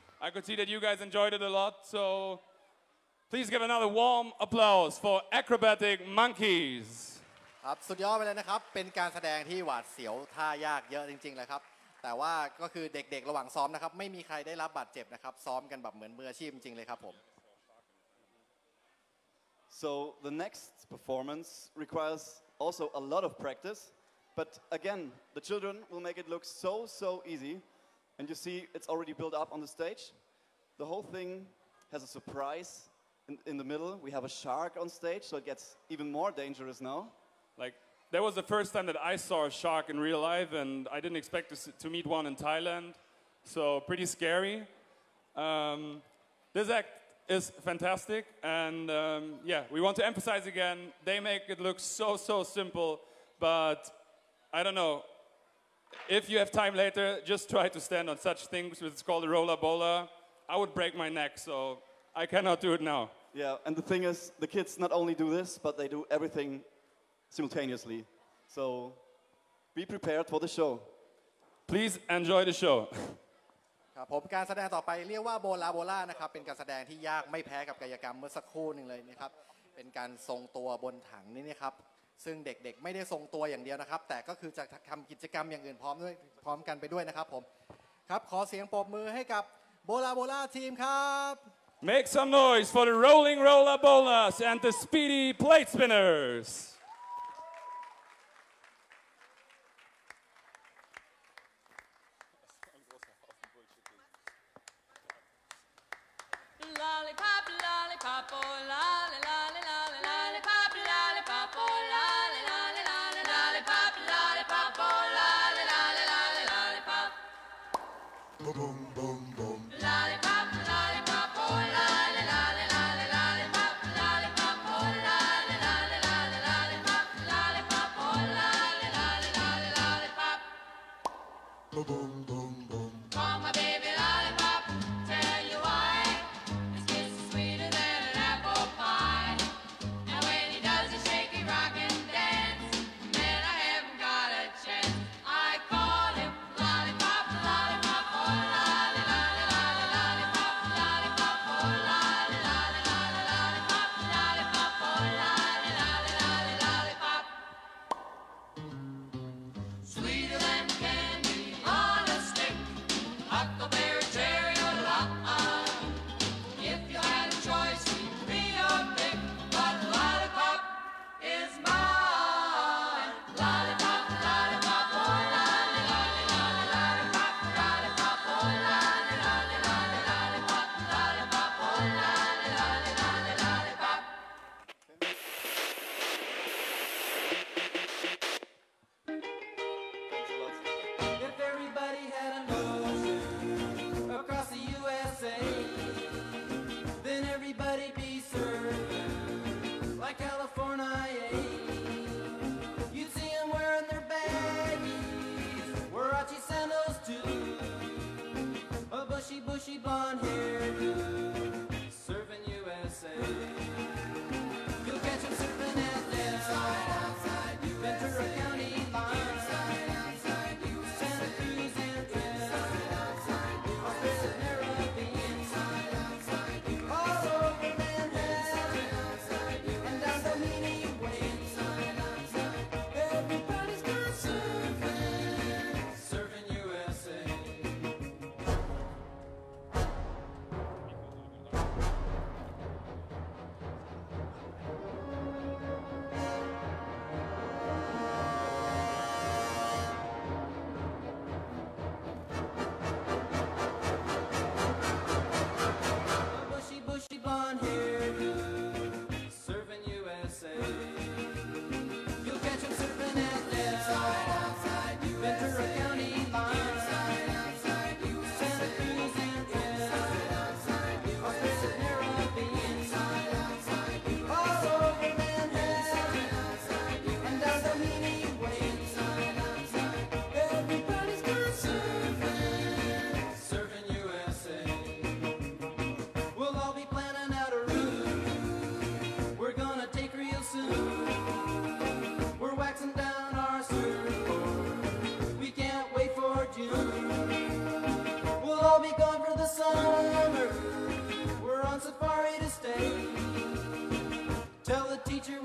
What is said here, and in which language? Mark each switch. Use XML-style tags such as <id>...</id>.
<en>I could see that you guys enjoyed it a lot, so please give another warm applause for acrobatic monkeys.</en> <th>ครับสุดยอดไปเลยนะครับเป็นการแสดงที่หวาดเสียวท่ายากเยอะจริงๆเลยครับแต่ว่าก็คือเด็กๆระหว่างซ้อมนะครับไม่มีใครได้รับบาดเจ็บนะครับซ้อมกันแบบเหมือนมืออาชีพจริงๆเลยครับผม</th> <en>So the next performance requires also a lot of practice but again the children will make it look so easy and you see it's already built up on the stage the whole thing has a surprise in the middle we have a shark on stage so it gets even more dangerous now like that was the first time that I saw a shark in real life and I didn't expect to meet one in Thailand so pretty scary this act is fantastic and yeah we want to emphasize again they make it look so simple but I don't know if you have time later just try to stand on such things it's called a roller bowler I would break my neck so I cannot do it now yeah and the thing is the kids not only do this but they do everything simultaneously so be prepared for the show please enjoy the show</en> <th>ครับผมการแสดงต่อไปเรียกว่าโบลาโบลานะครับเป็นการแสดงที่ยากไม่แพ้กับกายกรรมเมื่อสักครู่นึงเลยนะครับเป็นการทรงตัวบนถังนี่นะครับซึ่งเด็กๆไม่ได้ทรงตัวอย่างเดียวนะครับแต่ก็คือจะทํากิจกรรมอย่างอื่นพร้อมกันไปด้วยนะครับผมครับขอเสียงปรบมือให้กับโบลาโบลาทีมครับ</th> <en>Make some noise for the rolling roller bowlers and the speedy plate spinnersTeacher,</en>